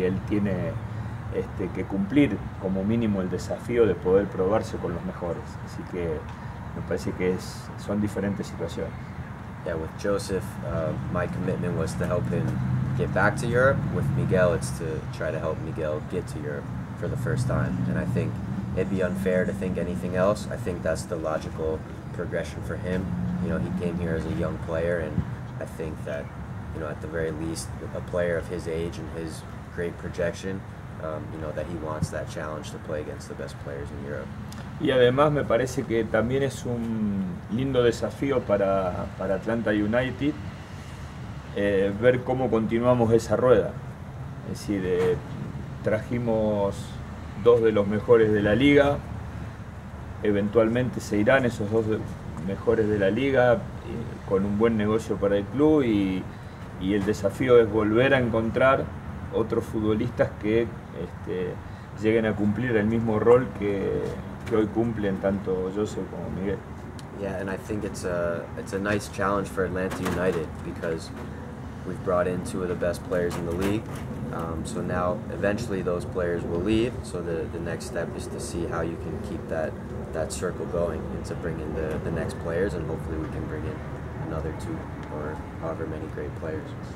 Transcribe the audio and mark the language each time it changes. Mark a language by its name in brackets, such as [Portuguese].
[Spanish] Él tiene que cumplir como mínimo el desafío de poder probarse con los mejores, así que me parece que son diferentes situaciones. [English] Yeah, with Joseph, my commitment was to help him get back to Europe. With Miguel, it's to try to help Miguel get to Europe for the first time. And I think it'd be unfair to think anything else. I think that's the logical progression for him. You know, he came here as a young player, and I think that, you know, at the very least, a player of his age and his great projection, you know, that he wants that challenge to play against the best players in Europe. [Spanish] Y además me parece que también es un lindo desafío para Atlanta United ver cómo continuamos esa rueda. Es decir, trajimos dos de los mejores de la liga, eventualmente se irán esos dos mejores de la liga con un buen negocio para el club, y el desafío es volver a encontrar otros futbolistas que lleguen a cumplir el mismo rol que hoy cumplen tanto Joseph como Miguel. [English] Yeah, and I think it's a nice challenge for Atlanta United because we've brought in two of the best players in the league. So now eventually those players will leave, so the next step is to see how you can keep that circle going and to bring in the next players, and hopefully we can bring in another two or however many great players.